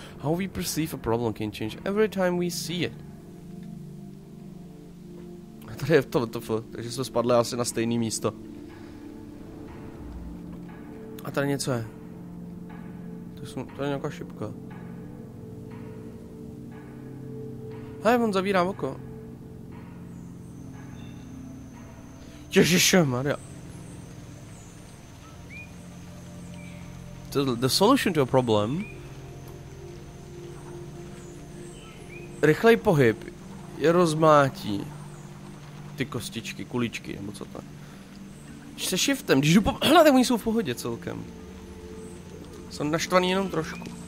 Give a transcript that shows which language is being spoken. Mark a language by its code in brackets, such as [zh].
[en] How we perceive a problem can change every time we see it. [cs] Tady je to WTF, takže jsme spadli asi na stejné místo. A tady něco je. To je nějaká šipka. Hej, on zavírá oko. Ježišmarja. [en] The solution to a problem. [cs] Rychlej pohyb je rozmátí ty kostičky, kuličky, nebo co to. Když se shiftem, když jdu po... Hle, tak oni jsou v pohodě celkem. Jsem naštvaný jenom trošku.